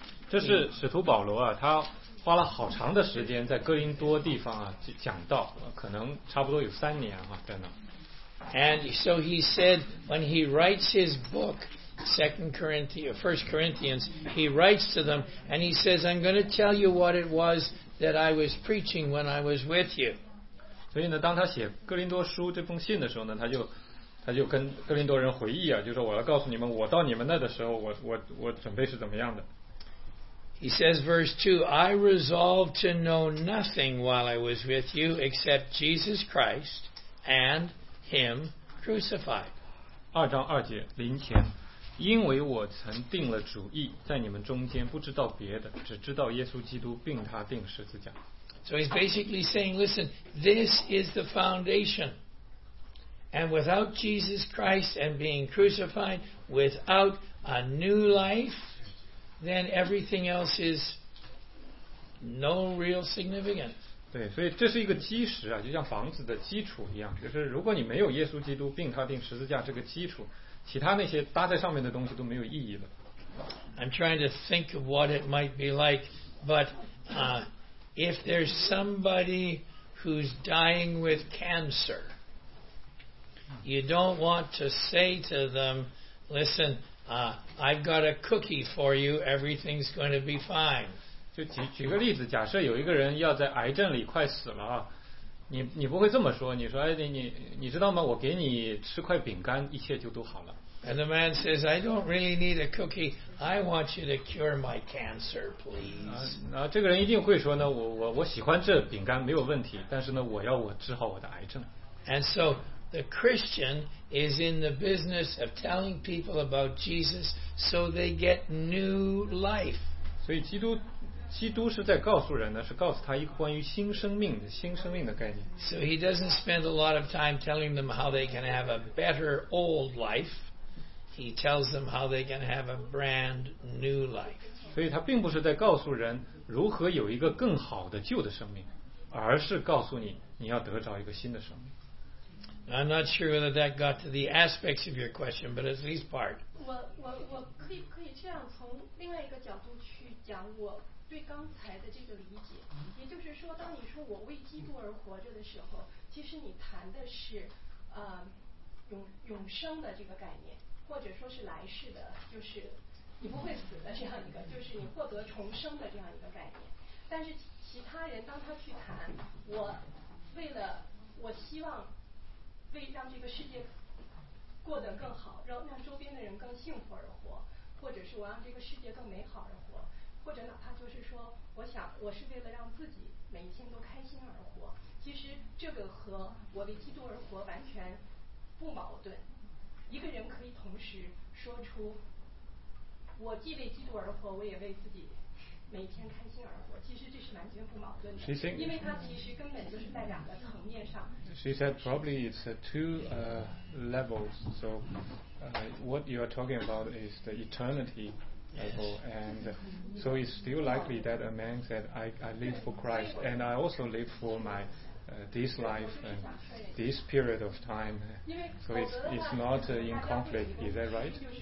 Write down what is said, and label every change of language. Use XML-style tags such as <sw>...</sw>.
<zh>这是使徒保罗啊，他花了好长的时间在哥林多地方啊讲道，可能差不多有三年啊在那。</zh> <en>And so he said when he writes his book, Second Corinthians, First Corinthians, he writes to them and he says, I'm going to tell you what it was that I was preaching when I was with you.</en> <zh>所以呢，当他写哥林多书这封信的时候呢，他就跟哥林多人回忆啊，就说我要告诉你们，我到你们那的时候，我准备是怎么样的。</zh> <en>He says, verse 2, I resolved to know nothing while I was with you except Jesus Christ and Him crucified.</en> <zh>二章二节，临前，因为我曾定了主意，在你们中间不知道别的，只知道耶稣基督并他钉十字架。</zh> <en>So he's basically saying, listen, this is the foundation. And without Jesus Christ and being crucified, without a new life, then everything else is no real significance.</en> <zh>对，所以这是一个基石啊，就像房子的基础一样，就是如果你没有耶稣基督并他钉十字架这个基础，其他那些搭在上面的东西都没有意义了。</zh> <en>I'm trying to think of what it might be like, but if there's somebody who's dying with cancer, you don't want to say to them, listen,I've got a cookie for you. Everything's going to be fine.</en> <zh>就举个例子，假设有一个人要在癌症里快死了啊，你不会这么说。你说，哎，你知道吗？我给你吃块饼干，一切就都好了。</zh> <en>And the man says, I don't really need a cookie. I want you to cure my cancer, please.</en> <zh>那这个人一定会说呢，我喜欢这饼干没有问题，但是呢，我要我治好我的癌症。</zh> <en>And so. The Christian is in the business of telling people about Jesus so they get new life.</en> <zh>所以基督是在告诉人呢，是告诉他一个关于新生命的概念。</zh> <en>So he doesn't spend a lot of time telling them how they can have a better old life. He tells them how they can have a brand new life.</en> <zh>所以他并不是在告诉人如何有一个更好的旧的生命，而是告诉你要得着一个新的生命。</zh> <en>I'm not sure whether that got to the aspects of your question, but at least part.</en> <zh>我可以这样从另外一个角度去讲我对刚才的这个理解，也就是说，当你说我为基督而活着的时候，其实你谈的是永生的这个概念，或者说是来世的，就是你不会死的这样一个，就是你获得重生的这样一个概念。但是其他人当他去谈我为了我希望。为让这个世界过得更好，让周边的人更幸福而活，或者是我让这个世界更美好而活，或者哪怕就是说，我想我是为了让自己每一天都开心而活。其实这个和我为基督而活完全不矛盾。一个人可以同时说出，我既为基督而活，我也为自己每天开心而活，其实这是完全不矛盾的。</zh> <en>Think,</en> <zh>因为它其实根本就是在两个层面上。</zh> <en>She said probably it's two levels. So what you are talking about is the eternity level. Yes. And so it's still likely that a man said, I live for Christ and I also live for my this life and this period of time, so it's not in conflict, is that right?</en>